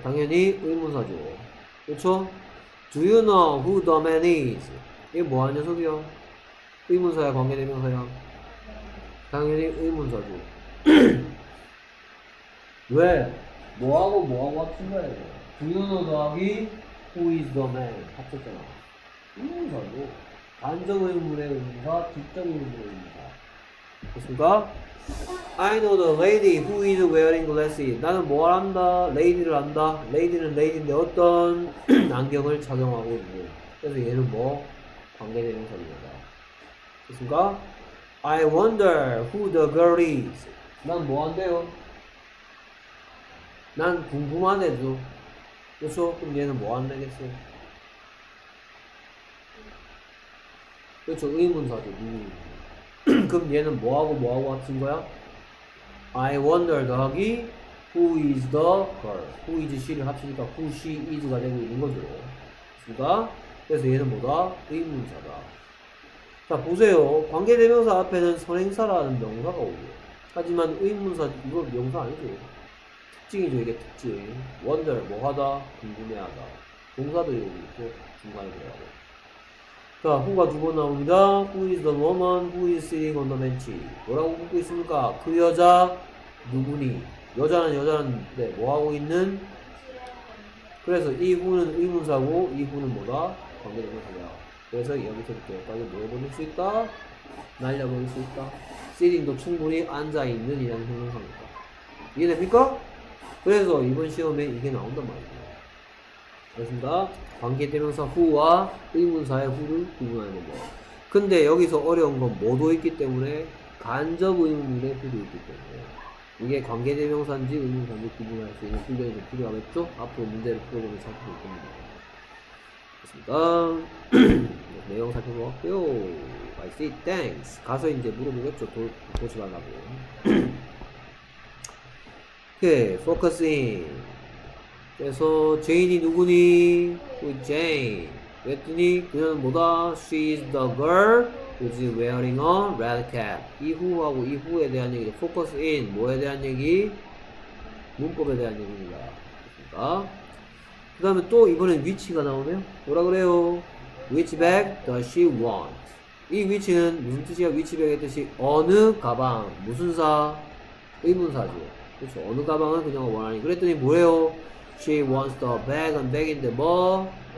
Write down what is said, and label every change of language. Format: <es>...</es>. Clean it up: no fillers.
<ko>당연히 의문사죠. 그쵸?</ko> <en>Do you know who the man is?</en> <ko>이게 뭐 하는 녀석이야? 의문사야, 관계대명사야? 당연히 의문사죠. 왜? 뭐하고 뭐하고 합친 거야, 이거?</ko> <en>Do you know</en> <ko>더하기</ko> <en>who is the man?</en> <ko>합쳤잖아. 의문사고. 단정 의문의 의문사, 직접 의문의 의문사. 됐습니까?</ko> <en>I know the lady who is wearing glasses.</en> <ko>나는 뭘 안다? Lady를 안다. Lady는 lady인데 어떤 안경을 착용하고 있는. 그래서 얘는 뭐? 관계대명사입니다. 됐습니까?</ko> <en>I wonder who the girl is.</en> <ko>난 뭐한대요? 난 궁금하대도. 그래서 그럼 얘는 뭐한대겠어요? 그렇죠. 의문사죠. 그럼 얘는 뭐하고 뭐하고 합친 거야?</ko> <en>I wonder</en> <ko>더하기</ko> <en>who is the girl. who is she를</en> <ko>합치니까</ko> <en>who she is가</en> <ko>되고 있는 거죠. 그니까, 그래서 얘는 뭐다? 의문사다. 자, 보세요. 관계대명사 앞에는 선행사라는 명사가 오고. 하지만 의문사, 이거 명사 아니죠. 특징이죠. 이게 특징. wonder, 뭐 하다? 궁금해 하다. 동사도 여기 있고, 중간에 뭐라고. 자, 후가 두 번 나옵니다.</ko> <en>Who is the woman who is sitting on the bench?</en> <ko>뭐라고 묻고 있습니까? 그 여자, 누구니? 여자는 여자인데, 뭐 하고 있는? 그래서 이 후는 의문사고, 이 후는 뭐다? 관계대명사야. 그래서 여기서 이렇게까지 모여버릴 수 있다? 날려버릴 수 있다? sitting도 충분히 앉아있는 이란 형용사니까. 이해됩니까? 그래서 이번 시험에 이게 나온단 말이에요. 알겠습니다. 관계대명사 후와 의문사의 후를 구분하는 거. 근데 여기서 어려운 건 뭐도 있기 때문에 간접 의문의 후도 있기 때문에 이게 관계대명사인지 의문사인지 구분할 수 있는 훈련이 좀 필요하겠죠? 앞으로 문제를 풀어보면 살펴볼 겁니다. 알겠습니다. 내용 살펴보았고요.</ko> <en>I see, thanks.</en> <ko>가서 이제 물어보겠죠. 도시발라고. 오케이,</ko> <en>focus in.</en> <ko>그래서 제인이 누구니? 그 제인. 그랬더니 그녀는 뭐다?</ko> <en>She is the girl who is wearing a red cap.</en> <ko>이후하고 이후에 대한 얘기죠.</ko> <en>Focus in.</en> <ko>뭐에 대한 얘기? 문법에 대한 얘기입니다. 그러니까. 그 다음에 또 이번엔 위치가 나오네요. 뭐라 그래요?</ko> <en>Which bag does she want?</en> <ko>이 위치는 무슨 뜻이야? Which bag의 뜻이 어느 가방. 무슨 사? 의문사죠. 그렇죠. 어느 가방을 그녀가 원하니? 그랬더니 뭐예요?</ko> <en>She wants the bag and bag in the ball.</en>